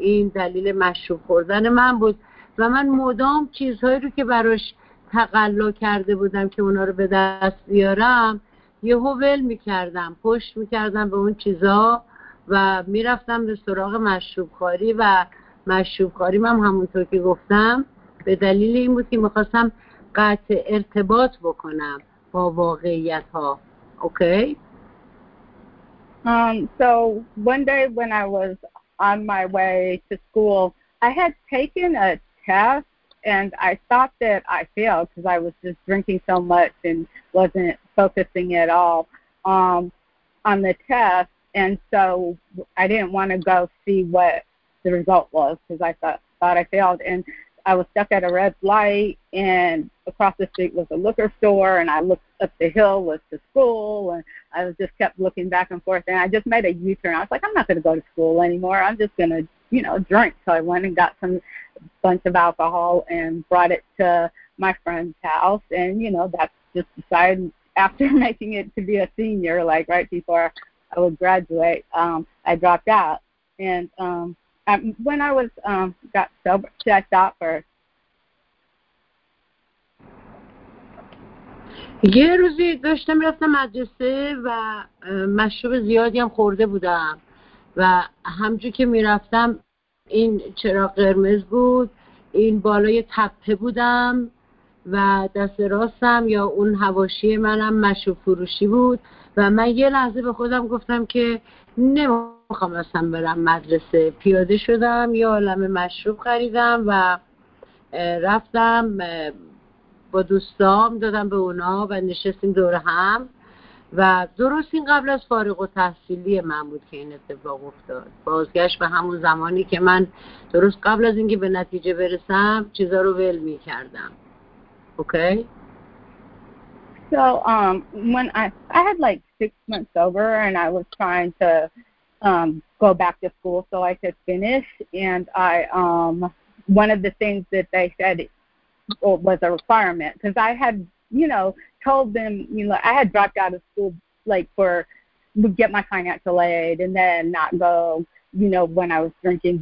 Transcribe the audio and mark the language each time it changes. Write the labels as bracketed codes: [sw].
[fa] این دلیل مشروب خوردن من بود و من مدام چیزهایی رو که براش تقلا کرده بودم که اونا رو به دست بیارم یهو ول میکردم، پشت میکردم به اون چیزا و میرفتم به سراغ مشروب خوری و مشروب خوریم هم همونطور که گفتم به دلیل این بود که میخواستم قطع ارتباط بکنم با واقعیت ها. [en] Okay? So one day when I was on my way to school, I had taken a test and I thought that I failed because I was just drinking so much and wasn't focusing at all on the test. And so I didn't want to go see what the result was because I thought I failed. And I was stuck at a red light and across the street was a liquor store and I looked up the hill was the school and I was just kept looking back and forth and I just made a U-turn. I was like, I'm not going to go to school anymore. I'm just going to, you know, drink. So I went and got some bunch of alcohol and brought it to my friend's house. And, you know, that's just decided after making it to be a senior, like right before I would graduate, I dropped out. And, when I was got sober, should I stop first? [fa] یه روزی داشتم رفتم مدرسه و مشروب زیادی هم خورده بودم و همجور که میرفتم این چراغ قرمز بود، این بالای تپه بودم و دست راستم یا اون حواشی منم مشروب فروشی بود و من یه لحظه به خودم گفتم که نمیخوام اصلا برم مدرسه. پیاده شدم یه عالمه مشروب خریدم و رفتم با دوستام دادم به اونا و نشستیم دور هم و درست این قبل از فارغ التحصیلی من بود که این اتفاق افتاد. بازگشت به همون زمانی که من درست قبل از اینکه به نتیجه برسم چیزا رو ول می کردم. [en] Okay? So when I had like 6 months sober and I was trying to go back to school so I could finish and I one of the things that they said was a requirement because I had, you know, told them, you know, I had dropped out of school like for get my financial aid and then not go, you know, when I was drinking.